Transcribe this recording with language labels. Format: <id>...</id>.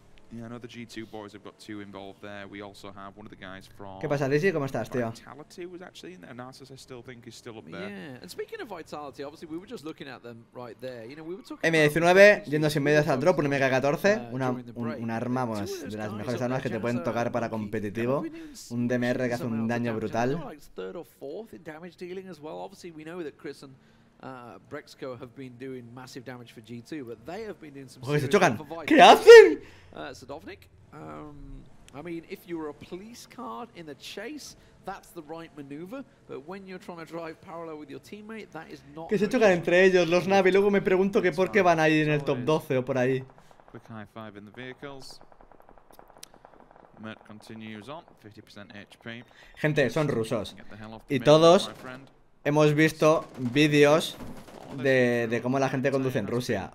<en>Yeah, another G2 boys have got two involved there. We also have one of the guys from.</en> <es>¿Qué pasa, Dizzy? ¿Cómo estás, tío?</es> <en>Vitality was actually in there. Narcissus, I still think, is still up there. Yeah, and speaking of Vitality, obviously we were just looking at them right there. You know, we were talking.</en> <es>M19 yendo sin medios al drop, un MK14, un arma, pues, de las mejores armas que te pueden tocar para competitivo, un DMR que hace un daño brutal.</es> <en>Third or fourth in damage dealing as well. Obviously, we know that Chris and Brexco have been doing massive damage for G2, but they have been doing some.</en> <es>Oye, se chocan. ¿Qué hacen? Sadovnik.</es> <en>I mean, if you were a police car in the chase, that's the right maneuver. But when you're trying to drive parallel with your teammate, that is not.</en> <es>Que se chocan entre ellos, los Navi. Luego me pregunto que por qué van ahí en el top 12 o por ahí.</es> <en>Quick high five in the vehicles. Mert continues on. 50% HP.</en> <es>Gente, son rusos. Y todos hemos visto vídeos de cómo la gente conduce en Rusia.</es>